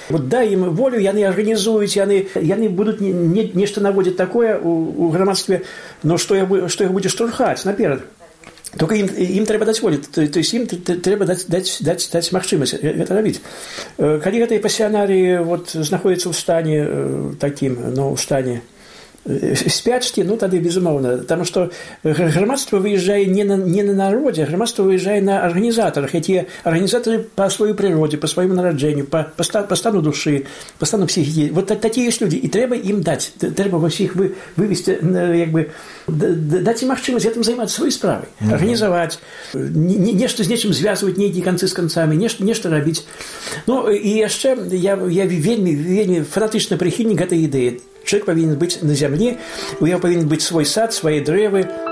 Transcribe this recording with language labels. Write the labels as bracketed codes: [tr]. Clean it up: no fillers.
[ru] Вот дай им волю, и они организуют, и они будут нечто наводить такое у громадстве, но что их будет штурхать наперед. Только им треба дать волю, то есть им треба дать махчимость это робить. Когда эти пассионарии вот находятся в стане таким, но в стане [be] спячки, ну, тады безумоўна, таму што грамадства выезжае не на народзе, грамадства выезжае на арганізатарах, якія арганізатары па сваёй прыродзе, па сваёму нараджэнню, па стану душы, па стану псіхікі. Вот такія ёсць людзі, і трэба ім даць, трэба ўсіх вывесці, як бы, даць ім магчымасць гэтым займаць сваёй справай, арганізаваць, нешта з нечым звязваць, нейкі канцы з канцамі, нешта рабіць. Ну, і яшчэ я вельмі, вельмі фанатычны прыхільнік гэтай ідэі. [ru] Человек повинен быть на земле, у него повинен быть свой сад, свои древы.